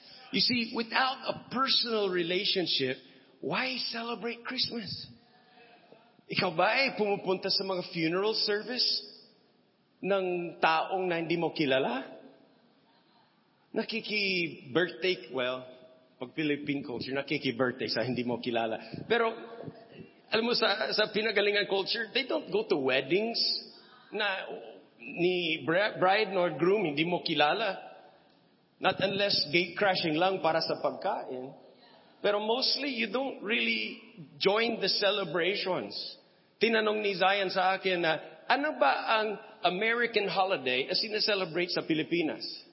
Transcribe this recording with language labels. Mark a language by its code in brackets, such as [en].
[en] You see, without a personal relationship, why celebrate Christmas? [tl] Ikaw ba ay pumupunta sa mga funeral service ng taong na hindi mo kilala? Nakiki-birthday, well, pag Philippine culture, nakiki-birthday sa hindi mo kilala. Pero, alam mo, sa pinagalingan culture, [en] they don't go to weddings [tl] na ni bride nor groom hindi mo kilala. [en] Not unless [tl] gate-crashing lang para sa pagkain. [en] Pero mostly, you don't really join the celebrations. [tl] Tinanong ni Zion sa akin na, ano ba ang American holiday na sineselebrate sa Pilipinas?